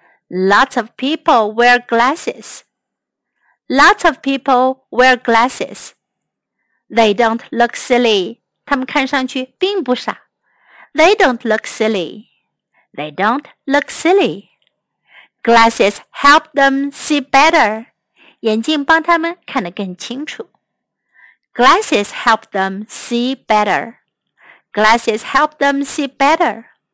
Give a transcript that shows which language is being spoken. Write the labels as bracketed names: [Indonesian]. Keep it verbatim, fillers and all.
[English] Lots of people wear glasses. Lots of people wear glasses. They don't look silly. [Chinese] 他们看上去并不傻。 [English] They don't look silly. They don't look silly. Glasses help them see better. [Chinese] 眼镜帮他们看得更清楚。 [English] Glasses help them see better. Glasses help them see better.